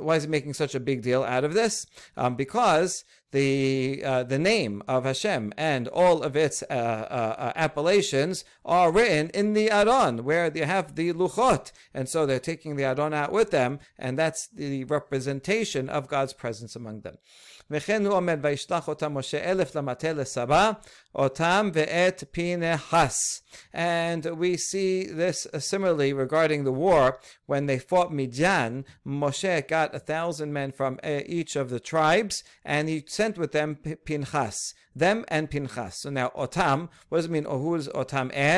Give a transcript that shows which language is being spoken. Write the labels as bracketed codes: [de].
[en] Why is he making such a big deal out of this? Because the name of Hashem and all of its appellations are written in the Aron, where they have the Luchot, and so they're taking the Aron out with them, and that's the representation of God's presence among them. [he] וכן הוא אומר וישלח אותם משה אלף למטה לסבא אותם ואת פינחס. [en] And we see this similarly regarding the war when they fought Midian. Moshe got 1,000 men from each of the tribes, and he sent with them Pinchas. Them and Pinchas. So now, Otam, what does it mean? Who is Otam?